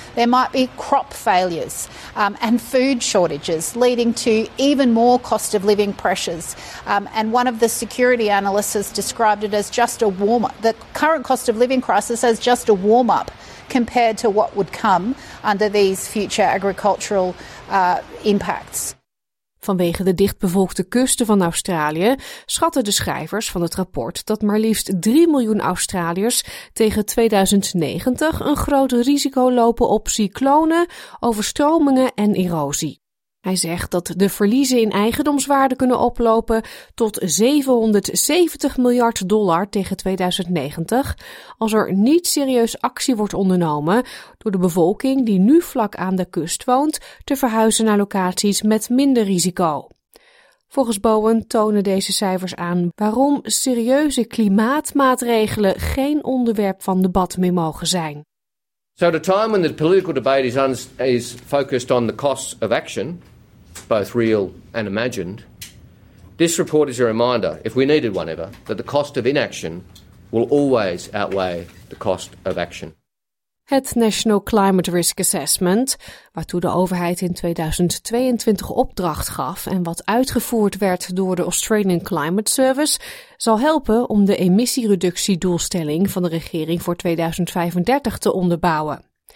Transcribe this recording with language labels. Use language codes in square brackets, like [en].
[en] There might be crop failures and food shortages leading to even more cost of living pressures. And one of the security analysts has described it as just a warm-up. The current cost of living crisis as just a warm-up compared to what would come under these future agricultural impacts. [nl] Vanwege de dichtbevolkte kusten van Australië schatten de schrijvers van het rapport dat maar liefst 3 miljoen Australiërs tegen 2090 een groot risico lopen op cyclonen, overstromingen en erosie. Hij zegt dat de verliezen in eigendomswaarde kunnen oplopen tot $770 miljard tegen 2090 als er niet serieus actie wordt ondernomen door de bevolking die nu vlak aan de kust woont te verhuizen naar locaties met minder risico. Volgens Bowen tonen deze cijfers aan waarom serieuze klimaatmaatregelen geen onderwerp van debat meer mogen zijn. [en] So at a time when the political debate is focused on the costs of action, both real and imagined, this report is a reminder, if we needed one ever, that the cost of inaction will always outweigh the cost of action. [nl] Het National Climate Risk Assessment, waartoe de overheid in 2022 opdracht gaf en wat uitgevoerd werd door de Australian Climate Service, zal helpen om de emissiereductiedoelstelling van de regering voor 2035 te onderbouwen.